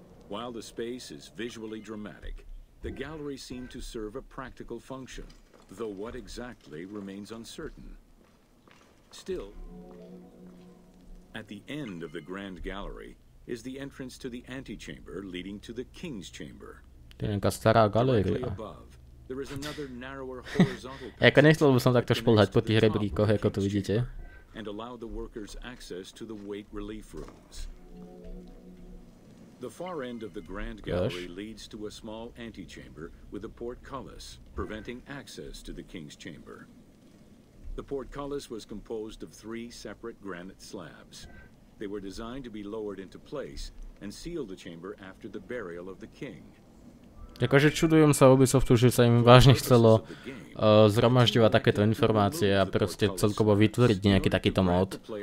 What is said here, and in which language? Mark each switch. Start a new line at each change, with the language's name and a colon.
English: While the space is visually dramatic, the gallery seemed to serve a practical function, though what exactly remains uncertain. Still, at the end of the grand gallery is the entrance to the antechamber leading to the king's chamber.
Slovak: Tenka stará galéria.
English: There is another narrower horizontal.
Slovak: Ako nechcel by som takto šplhať po tých rebríkoch, ako to vidíte.
English: And allow the workers access to the weight relief rooms. The far end of the grand gallery leads to a small antechamber with a portcullis preventing access to the king's chamber. The portcullis was composed of 3 separate granite slabs. They were designed to be lowered into place and seal the chamber after the burial of the king.
Slovak: Takže čudujem sa Ubisoftu, že sa im vážne chcelo zhromažďovať takéto informácie a proste celkovo vytvoriť nejaký takýto mod.